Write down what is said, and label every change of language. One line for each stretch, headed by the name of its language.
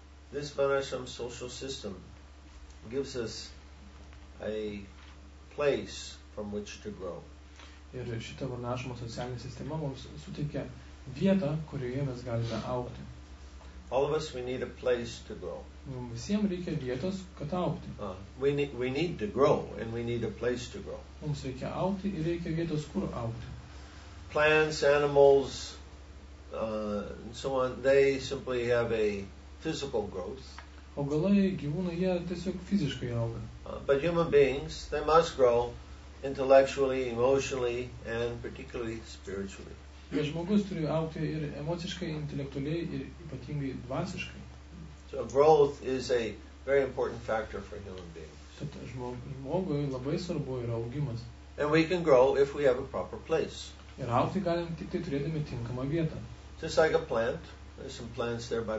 English: This Varnashram social system gives us a place from which to grow.
Lithuanian: Ir šita Varnashramo socialinė sistema mums suteikia vietą, kurioje mes galime augti.
English: All of us, we need a place to grow.
Lithuanian: Mums visiems reikia vietos, kad augti.
English: We need to grow and we need a place to grow.
Lithuanian: Mums reikia augti ir reikia vietos, kur augti.
English: Plants, animals, and so on, they simply have a physical growth.
Lithuanian: Augalai, gyvūnai, jie tiesiog fiziškai auga.
English: But human beings, they must grow intellectually, emotionally, and particularly spiritually.
Lithuanian: Bet žmogus turi augti ir emociškai, intelektualiai, ir ypatingai dvasiškai.
English: So growth is a very important factor for human beings.
Lithuanian: Tad žmogui labai svarbu yra augimas.
English: And we can grow if we have a proper place.
Lithuanian: Ir augti galim tik tai turėdami tinkamą vietą.
English: Just like a plant, there's some plants there by